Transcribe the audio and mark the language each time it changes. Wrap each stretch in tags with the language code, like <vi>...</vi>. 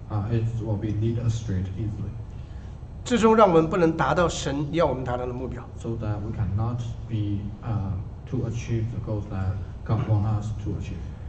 <en>It will be led astray easily.</en> <zh>最终让我们不能达到神要我们达到的目标。</zh> <en>So that we cannot be to achieve the goals that God wants us to achieve.</en>